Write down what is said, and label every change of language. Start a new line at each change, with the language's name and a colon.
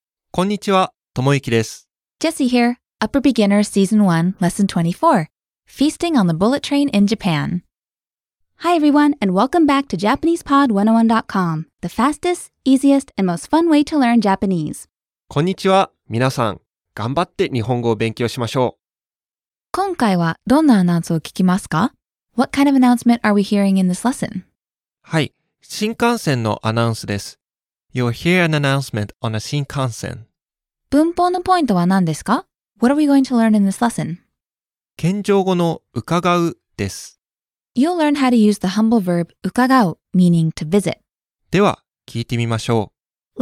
Japanese: こんにちは、ともゆきです。
English: Jesse here. Upper Beginner Season 1 Lesson 24. Feasting on the Bullet Train in Japan. Hi everyone, and welcome back to JapanesePod101.com, the fastest, easiest, and most fun way to learn Japanese.
Japanese: こんにちは、皆さん。頑張って日本語を勉強しましょう。今回はどんなアナウンスを聞きますか?
English: What kind of announcement are we hearing in this lesson?
Japanese: はい、新幹線のアナウンスです。
English: You'll hear an announcement on a 新幹線。
Japanese: 文法のポイントは何ですか?
English: What are we going to learn in this lesson?
Japanese: 謙譲語の伺うです。
English: You'll learn how to use the humble verb 伺う, meaning to visit.
Japanese: では、聞いてみましょう。